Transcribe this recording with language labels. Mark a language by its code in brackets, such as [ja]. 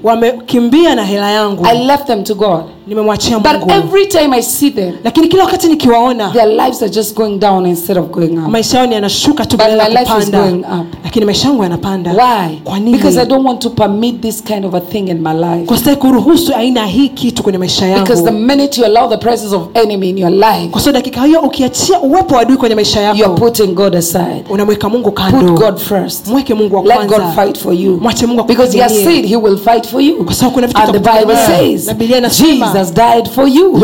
[sw] Wamekimbia na hela yangu. [en] I left them to God. [sw] Nimemwachia Mungu. [en] But every time I see them, [sw] lakini kila wakati nikiwaona, [en] their lives are just going down instead of going up. [sw] Maisha yao yanashuka tu bila kupanda. [en] But my life is going up. [sw] Lakini maisha yangu yanapanda. [en] Why? [sw] Kwa nini? [en] Because I don't want to permit this kind of a thing in my life. [sw] Kwa sababu kuruhusu aina hii kitu kwenye maisha yangu. [en] Because the minute you allow the presence of enemy in your life, [sw] kwa sababu dakika hiyo ukiachia uwepo wa adui kwenye maisha yako, [en] you're putting God aside. [sw] Unamweka Mungu kando. [en] Put God first. [sw] Mweke Mungu wa kwanza. [en] Let God fight for you. [sw] Mwache Mungu akupigie. [en] Because he has said he will fight for you. [sw] Kwa sababu kuna vitu [en] the Bible says. [sw] Na Biblia inasema [en] Jesus has died for you.